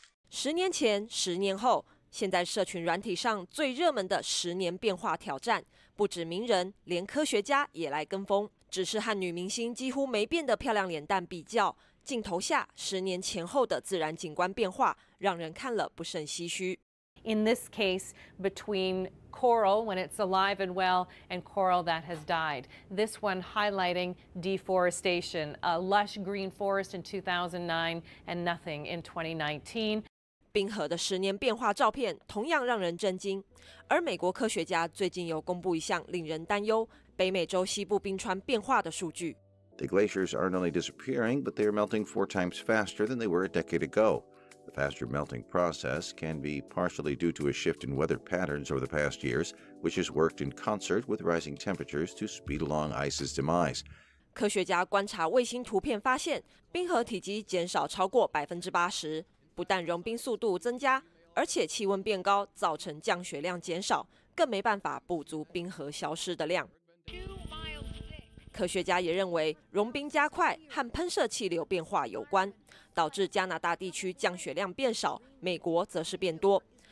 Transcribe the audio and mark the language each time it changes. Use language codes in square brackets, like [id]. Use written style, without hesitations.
[zh] 十年前，十年后，现在社群软体上最热门的十年变化挑战，不止名人，连科学家也来跟风。只是和女明星几乎没变的漂亮脸蛋比较，镜头下十年前后的自然景观变化，让人看了不胜唏嘘。 [en] In this case, between coral when it's alive and well and coral that has died, this one highlighting deforestation, a lush green forest in 2009 and nothing in 2019. [zh] 冰河的十年变化照片同样让人震惊，而美国科学家最近有公布一项令人担忧北美洲西部冰川变化的数据。 [en] The glaciers aren't only disappearing, but they are melting four times faster than they were a decade ago. The faster melting process can be partially due to a shift in weather patterns over the past years, which has worked in concert with rising temperatures to speed along ice's demise. [zh] 科学家观察卫星图片发现，冰河体积减少超过80%。不但融冰速度增加，而且气温变高，造成降雪量减少，更没办法补足冰河消失的量。科学家也认为，融冰加快和喷射气流变化有关，导致加拿大地区降雪量变少，美国则是变多。